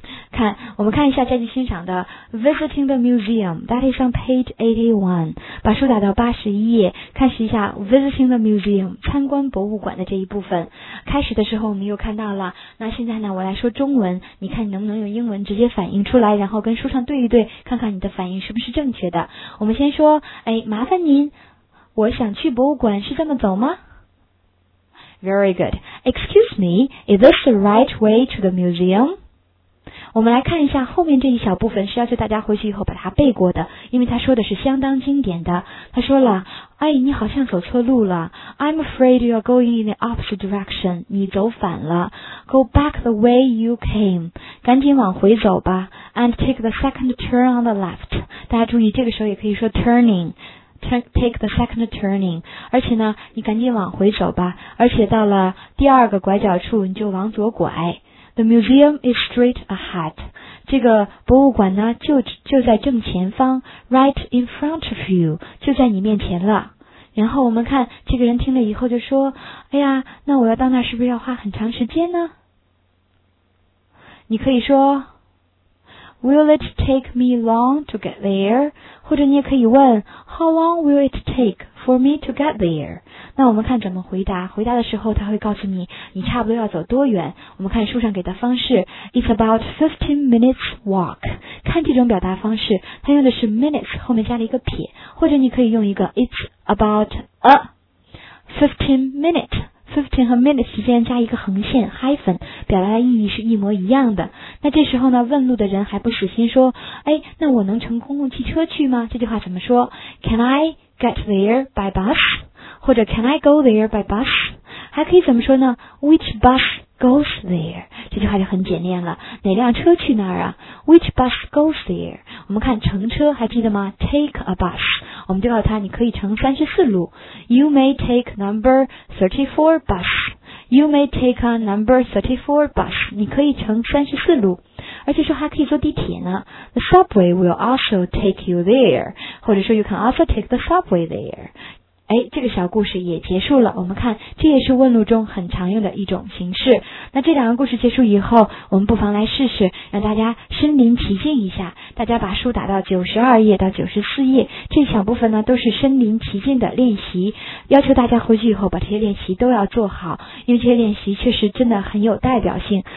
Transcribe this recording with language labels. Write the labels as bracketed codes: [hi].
[zh] 看，我们看一下家具欣赏的 [en] Visiting the Museum, that is on page 81, [zh] 把书打到81页，开始一下 Visiting the Museum, 参观博物馆的这一部分。开始的时候我们又看到了，那现在呢我来说中文，你看你能不能用英文直接反映出来，然后跟书上对一对，看看你的反应是不是正确的。我们先说，哎，麻烦您，我想去博物馆，是这么走吗？ [en] Very good. Excuse me, is this the right way to the museum? [zh] 我们来看一下后面这一小部分，是要求大家回去以后把它背过的，因为他说的是相当经典的。他说了，哎，你好像走错路了。 [en] I'm afraid you are going in the opposite direction. [zh] 你走反了。 [en] Go back the way you came. [zh] 赶紧往回走吧。 [en] And take the second turn on the left. [zh] 大家注意，这个时候也可以说 turning. [en] Take the second turning. [zh] 而且呢你赶紧往回走吧，而且到了第二个拐角处你就往左拐。 [en] The museum is straight ahead. [zh] 这个博物馆呢就在正前方， [en] right in front of you, [zh] 就在你面前了。然后我们看这个人听了以后就说，哎呀，那我要到那是不是要花很长时间呢？你可以说 [en] Will it take me long to get there? [zh] 或者你也可以问 [en] How long will it take for me to get there? [zh] 那我们看怎么回答，回答的时候他会告诉你你差不多要走多远。我们看书上给的方式， [en] It's about 15 minutes walk. [zh] 看这种表达方式，他用的是 minutes 后面加了一个撇，或者你可以用一个 It's about a 15 minutes，15和 minutes 之间加一个横线 hyphen， 表达的意义是一模一样的。那这时候呢问路的人还不死心说，哎，那我能乘公共汽车去吗？这句话怎么说？ [en] Can I get there by bus? 或者 Can I go there by bus? [zh] 还可以怎么说呢？ [en] Which bus goes there? [zh] 这句话就很简练了，哪辆车去那儿啊？ [en] Which bus goes there? [zh] 我们看乘车还记得吗？ [en] Take a bus， [zh] 我们就告诉他你可以乘34路。 [en] You may take number 34 bus. You may take a number 34 bus. [zh] 你可以乘34路。而且说还可以坐地铁呢。 [en] The subway will also take you there. 或者说 you can also take the subway there. [zh] 哎，这个小故事也结束了。我们看这也是问路中很常用的一种形式。那这两个故事结束以后，我们不妨来试试，让大家身临其境一下。大家把书打到92页到94页，这小部分呢都是身临其境的练习，要求大家回去以后把这些练习都要做好，因为这些练习确实真的很有代表性。